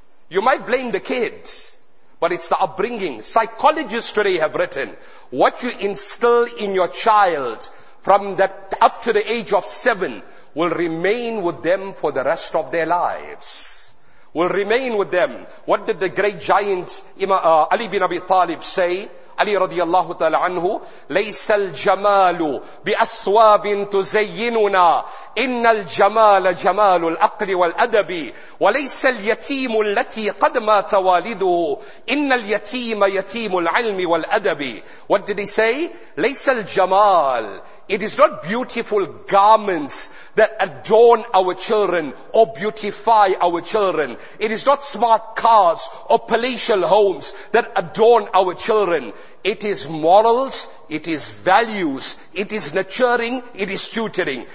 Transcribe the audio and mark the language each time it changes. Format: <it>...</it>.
<en>You might blame the kids. But it's the upbringing. Psychologists today have written, what you instill in your child from that up to the age of 7 will remain with them for the rest of their lives. Will remain with them. What did the great giant Ali bin Abi Talib say?</en> <ar>Ali radiallahu ta'ala anhu, لَيْسَ الْجَمَالُ بِأَسْوَابٍ تُزَيِّنُنَا إِنَّ الْجَمَالَ جَمَالُ الْأَقْلِ وَالْأَدَبِ وَلَيْسَ الْيَتِيمُ الَّتِي قَدْ مَاتَ وَالِدُهُ إِنَّ الْيَتِيمَ يَتِيمُ الْعِلْمِ وَالْأَدَبِ.</ar> <en>What did he say?</en> <ar>لَيْسَ الْجَمَالُ,</ar> <en>it is not beautiful garments that adorn our children or beautify our children. It is not smart cars or palatial homes that adorn our children. It is morals, it is values, it is nurturing, it is tutoring.</en>